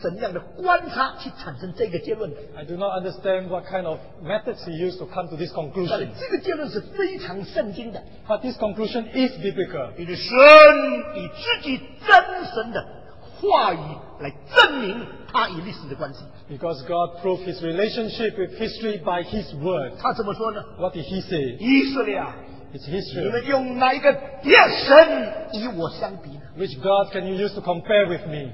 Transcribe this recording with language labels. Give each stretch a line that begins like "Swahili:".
Chinese: 我不明白这个大文化学者是用怎样的观察去产生这个结论。I
English: do not understand what kind of methods he used to come to this conclusion.
Chinese: 这个结论是非常圣经的。But
English: this conclusion is biblical.
Chinese: 以神以自己真神的话语来证明他与历史的关系。
English: Because God proved his relationship with history by his word.
Chinese: 他怎么说呢?
English: What did he say?
Chinese: 以色列啊,
English: it's history.
Chinese: 你们用哪一个别神与我相比呢?
English: Which God can you use to compare with me?